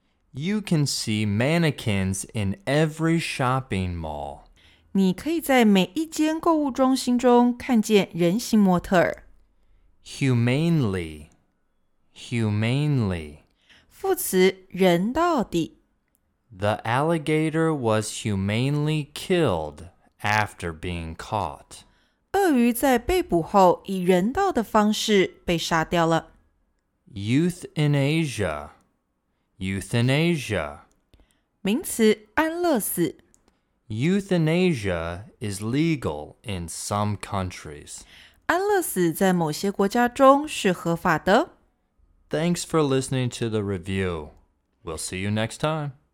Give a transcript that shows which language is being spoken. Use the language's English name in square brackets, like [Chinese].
[English] You can see mannequins in every shopping mall. [Chinese] 你可以在每一间购物中心中看见人形模特儿。 [English] Humanely, humanely. [Chinese] 副词，人道的。 [English] The alligator was humanely killed after being caught. [Chinese] 鳄鱼在被捕后以人道的方式被杀掉了。 [English] Euthanasia, euthanasia. [Chinese] 名词，安乐死。 [English] Euthanasia is legal in some countries. [Chinese] 安乐死在某些国家中是合法的。 [English] Thanks for listening to the review. We'll see you next time.